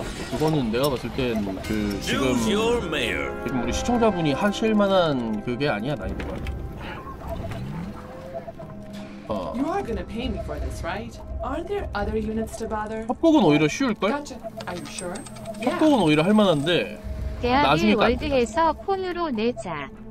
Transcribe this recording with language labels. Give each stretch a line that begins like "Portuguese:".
Korean: 그거는 내가 봤을 땐 그 지금 우리 시청자분이 하실만한 그게 아니야 난이도가.
English: You are gonna pay me for this, right? Are there other units to bother?
Korean: 협곡은 오히려 쉬울걸?
English: Gotcha. Are you sure? Yeah.
Korean: 협곡은 오히려 할 만한데. 대아빌 월드에서 폰으로 내자.